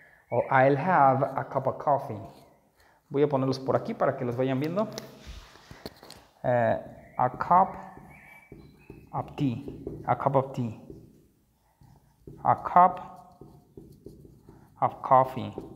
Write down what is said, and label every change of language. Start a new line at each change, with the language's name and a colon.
English: O I'll have a cup of coffee.
Spanish: Voy a ponerlos por aquí para que los vayan viendo.
English: A cup of tea, a cup of tea, a cup of coffee.